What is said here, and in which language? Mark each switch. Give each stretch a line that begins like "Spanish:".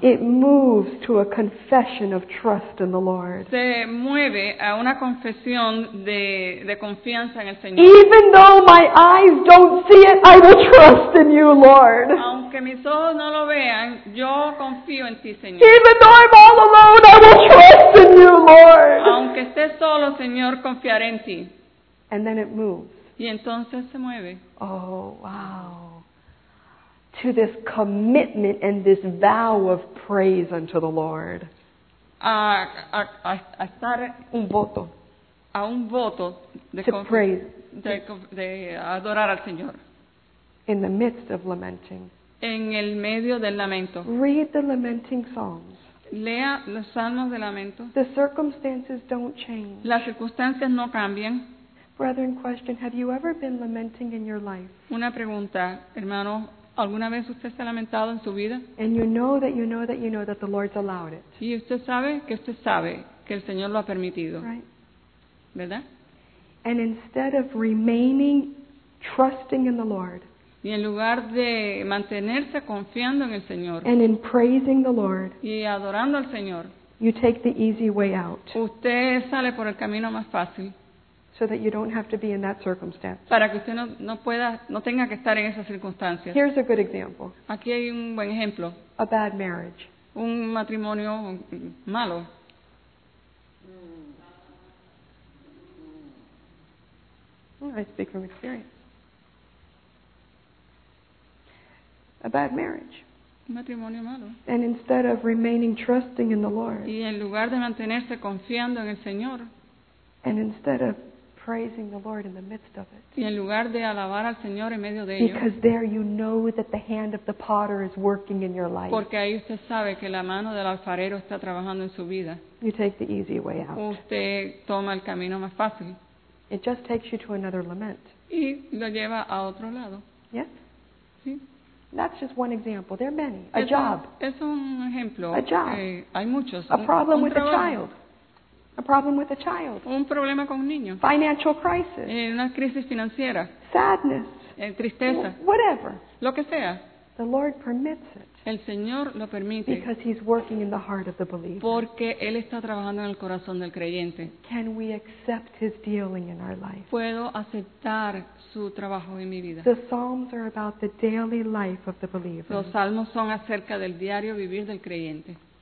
English: it moves to a confession of trust in the Lord.
Spanish: Se mueve a una confesión de confianza en el Señor.
English: Even though my eyes don't see it, I will trust in you, Lord.
Spanish: Aunque mis ojos no lo vean, yo confío en ti, Señor.
English: Even though I'm all alone, I will trust in you, Lord.
Spanish: Aunque esté solo, Señor, confiaré en ti.
English: And then it moves.
Spanish: Y entonces se mueve.
English: Oh, wow. To this commitment and this vow of praise unto the Lord.
Spanish: A estar un voto. A un voto de
English: praise.
Spanish: De adorar al Señor.
English: In the midst of lamenting.
Spanish: En el medio del lamento.
English: Read the lamenting songs.
Spanish: Lea los salmos de lamento.
English: The circumstances don't change.
Spanish: Las circunstancias no cambian.
English: Brethren, question: have you ever been lamenting in your life?
Spanish: Una pregunta, hermano. ¿Alguna vez usted se ha lamentado en su vida?
English: And you know that you know that you know that the Lord's allowed it.
Spanish: Y usted sabe que el Señor lo ha permitido.
English: Right.
Spanish: ¿Verdad?
English: And instead of remaining trusting in the Lord.
Spanish: Y en lugar de mantenerse confiando en el Señor.
English: And in praising the Lord.
Spanish: Y adorando al Señor.
English: You take the easy way out.
Spanish: Usted sale por el camino más fácil.
English: So that you don't have to be in that circumstance.
Spanish: Para que usted no pueda, no tenga que estar en esa circunstancia.
English: Here's a good example.
Spanish: Aquí hay un buen ejemplo.
English: A bad marriage.
Spanish: Un matrimonio malo.
English: I speak from experience. A bad marriage.
Spanish: Un matrimonio malo.
English: And instead of remaining trusting in the Lord.
Spanish: Y en lugar de mantenerse confiando en el Señor.
English: And instead of praising the Lord in the midst of it.
Spanish: Y en lugar de alabar al Señor en medio de ello.
English: Because there you know that the hand of the potter is working in your life.
Spanish: Porque ahí usted sabe que la mano del alfarero está trabajando en su vida.
English: You take the easy way out.
Spanish: Usted toma el camino más fácil.
English: It just takes you to another lament.
Spanish: Y lo lleva a otro lado.
English: Yes.
Spanish: Sí.
English: That's just one example. There are many. A job.
Spanish: Es un ejemplo.
English: A job.
Spanish: Hay muchos.
English: A problem with
Spanish: trabajo.
English: A child. A problem with a child.
Spanish: Un problema con un niño.
English: Financial crisis.
Spanish: Una crisis financiera.
English: Sadness.
Spanish: Tristeza.
English: Whatever.
Spanish: Lo que sea.
English: The Lord permits it.
Spanish: El Señor lo permite.
English: Because He's working in the heart of the believer.
Spanish: Porque Él está trabajando en el corazón del creyente.
English: Can we accept His dealing in our life?
Spanish: ¿Puedo aceptar su trabajo en mi vida?
English: The Psalms are about the daily life of the believer.
Spanish: Los salmos son acerca del diario vivir del creyente.